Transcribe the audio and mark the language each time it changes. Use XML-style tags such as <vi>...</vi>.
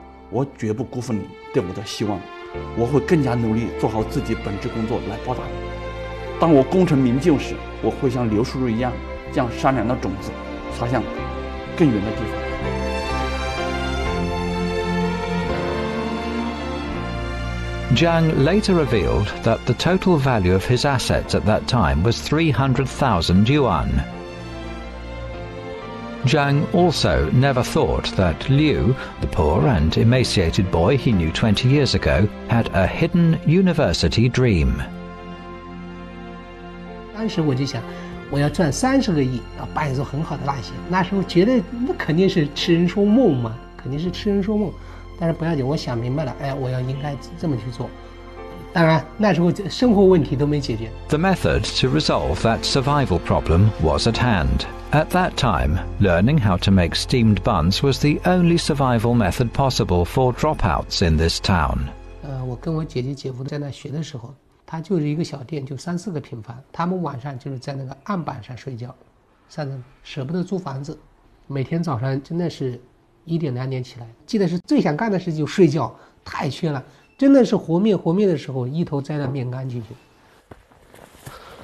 <zh>我绝不辜负你对我的希望，我会更加努力做好自己本职工作来报答你。当我功成名就时，我会像刘叔叔一样将善良的种子撒向更远的地方。</zh> <en>Zhang later revealed that the total value of his assets at that time was 300,000 yuan. Zhang also never thought that Liu, the poor and emaciated boy he knew 20 years ago, had a hidden university dream.</en> <zh>当时我就想，我要赚30亿，要办一所很好的大学。那时候觉得那肯定是痴人说梦嘛，肯定是痴人说梦。但是不要紧，我想明白了，哎，我要应该这么去做。当然，那时候生活问题都没解决。</zh> <en>The method to resolve that survival problem was at hand. At that time, learning how to make steamed buns was the only survival method possible for dropouts in this town.</en> <zh>我跟我姐姐姐夫在那学的时候，他就是一个小店，就三四个平方。他们晚上就是在那个案板上睡觉，三个舍不得租房子，每天早上真的是一点两点起来，记得是最想干的事就睡觉，太缺了，真的是和面和面的时候一头栽到面干进去。</zh>